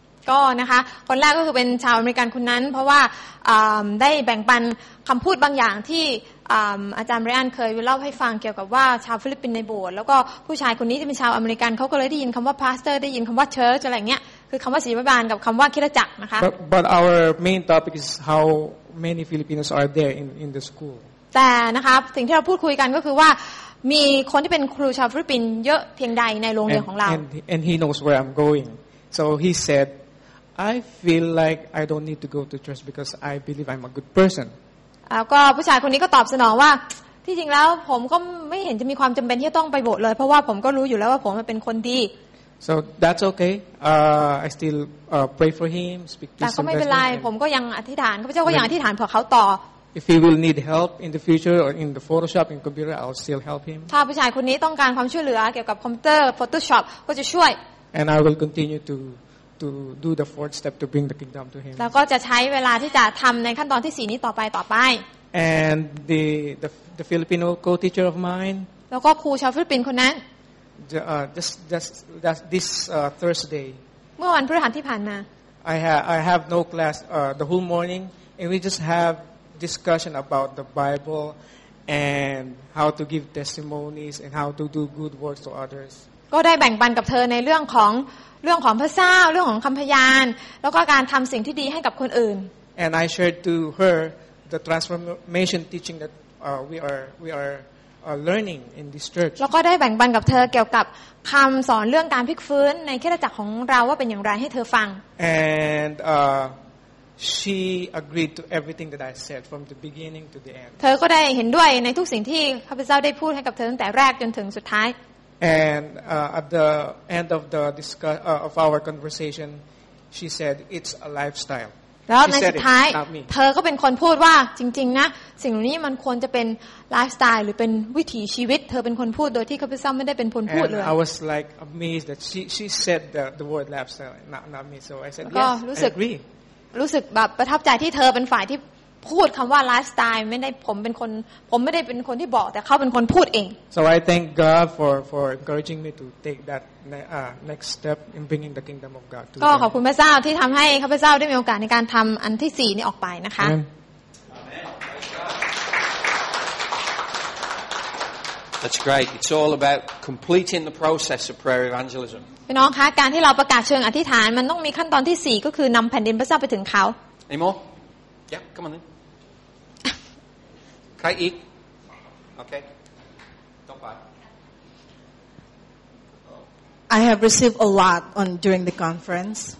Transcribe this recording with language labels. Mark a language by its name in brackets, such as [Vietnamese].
[Thai] ก็นะคะคนแรกก็คือเป็นชาวอเมริกันคนนั้นเพราะว่าได้แบ่งปันคำพูดบางอย่างที่อาจารย์ไรอันเคยเล่าให้ฟังเกี่ยวกับว่าชาวฟิลิปปินส์ในโบสถ์แล้วก็ผู้ชายคนนี้ที่เป็นชาวอเมริกันเขาก็เลยได้ยินคำว่าพาสเตอร์ได้ยินคำว่าเชิร์ชอะไรเงี้ยคือคำว่าศิริบาลกับคำว่าคริสตจักรนะคะ [English] but our main topic is how many Filipinos are there in the school [Thai] แต่นะคะสิ่งที่เราพูดคุยกันก็คือว่ามีคนที่เป็นครูชาวฟิลิปปินส์เยอะเพียงใดในโรงเรียนของเรา [English] and he knows where I'm going so he said I feel like I don't need to go to church because I believe I'm a good person [Thai] แล้วก็ผู้ชายคนนี้ก็ตอบสนองว่าที่จริงแล้วผมก็ไม่เห็นจะมีความจำเป็นที่ต้องไปโบสถ์เลยเพราะว่าผมก็รู้อยู่แล้วว่าผมเป็นคนดี [English] so that's okay I still pray for him speak to [Thai] แต่ก็ไม่เป็นไรผมก็ยังอธิษฐานข้าพเจ้าก็ยังอธิษฐานเผื่อเขาต่อ [English] if he will need help in the future or in the Photoshop in computer I'll still help him [Thai] ถ้าผู้ชายคนนี้ต้องการความช่วยเหลือเกี่ยวกับคอมพิวเตอร์ Photoshop ก็จะช่วย [English] and I will continue to do the fourth step to bring the kingdom to him [Thai] แล้วก็จะใช้เวลาที่จะทำในขั้นตอนที่4นี้ต่อไป [English] and the Filipino co-teacher of mine [Thai] แล้วก็ครูชาวฟิลิปปินส์คนนั้น [English] just this Thursday [Thai] เมื่อวันพฤหัสที่ผ่านมา [English] I have no class the whole morning and we just have discussion about the Bible and how to give testimonies and how to do good works to others [Thai] ก็ได้แบ่งปันกับเธอในเรื่องของพระเจ้าเรื่องของคำพยานแล้วก็การทำสิ่งที่ดีให้กับคนอื่น [English] And I shared to her the transformation teaching that we are learning in this church [Thai] แล้วก็ได้แบ่งปันกับเธอเกี่ยวกับคำสอนเรื่องการพลิกฟื้นในคริสตจักรของเราว่าเป็นอย่างไรให้เธอฟัง [English] And she agreed to everything that I said from the beginning to the end [Thai] เธอก็ได้เห็นด้วยในทุกสิ่งที่พระเจ้าได้พูดให้กับเธอตั้งแต่แรกจนถึงสุดท้าย [English] And at the end of the of our conversation, she said, "It's a lifestyle." She said it, not me. [Thai] แล้วในสุดท้ายเธอก็เป็นคนพูดว่าจริงๆนะสิ่งนี้มันควรจะเป็นไลฟ์สไตล์หรือเป็นวิถีชีวิตเธอเป็นคนพูดโดยที่ข้าพเจ้าไม่ได้เป็นคนพูดเลย [English] I was like amazed that she said the word lifestyle, not me. So I said yes. I agree. [Thai] รู้สึกแบบประทับใจที่เธอเป็นฝ่ายที่พูดคำว่าไลฟ์สไตล์ไม่ได้ผมไม่ได้เป็นคนที่บอกแต่เขาเป็นคนพูดเอง [English] so I thank God for encouraging me to take that next step in bringing the kingdom of God [Thai] ก็ขอบคุณพระเจ้าที่ทำให้ข้าพเจ้าได้มีโอกาสในการทำอันที่4นี้ออกไปนะคะ [English] Amen. That's great it's all about completing the process of prayer evangelism [Thai] พี่น้องคะการที่เราประกาศเชิงอธิษฐานมันต้องมีขั้นตอนที่4ก็คือนำแผ่นดินพระเจ้าไปถึงเขา [English] Any moreYeah, come on then. Okay, eat. Okay. Don't buy. I have received a lot during the conference.